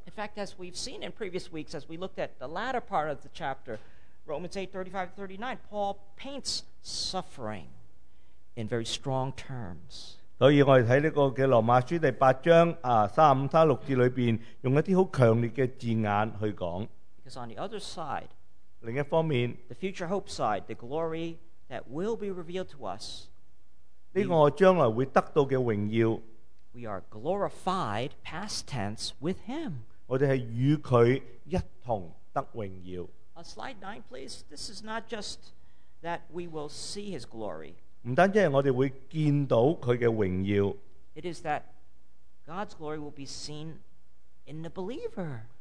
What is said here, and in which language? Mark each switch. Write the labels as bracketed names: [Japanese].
[English] In fact, as we've seen in previous weeks, as we looked at the latter part of the chapter, Romans 8:35-39, Paul paints suffering in very strong terms. [Chinese] 所以我们在这个罗马书第8章35-36节里面用一些很强烈的字眼去讲。 [English] Because on the other side, [Chinese] 另一方面, [English] the future hope side, the glory that will be revealed to us, [Chinese] 这个将来会得到的荣耀, [English] we are glorified, past tense, with him. [Chinese] 我们是与他一同得荣耀。 [English] Slide 9, please. This is not just that we will see his glory. [Chinese] 不单只是我们会见到他的荣耀, [English] it is that God's glory will be seen in the believer.